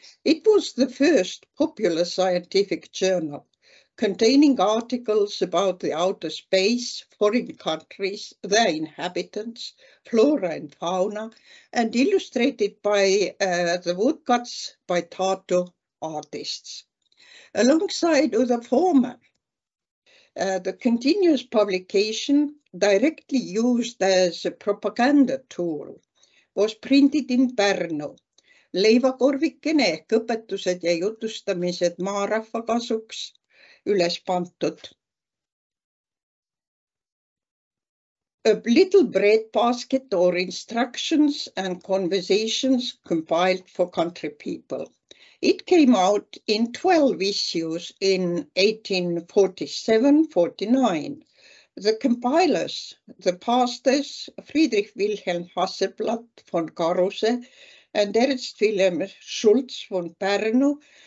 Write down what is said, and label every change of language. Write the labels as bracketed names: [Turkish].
[English] It was the first popular scientific journal containing articles about the outer space, foreign countries, their inhabitants, flora and fauna, and illustrated by the woodcuts by Tartu artists. Alongside the former, the continuous publication, directly used as a propaganda tool, was printed in Pärnu. [Estonian] Leivakorvikene ehk õpetused ja jutustamised maarahva kasuks üles pantud. [English] A little bread basket or instructions and conversations compiled for country people. It came out in 12 issues in 1847-49. The compilers, the pastors, Friedrich Wilhelm Hasselblatt von Karuse and Ernst Wilhelm Schulz von Pärnu,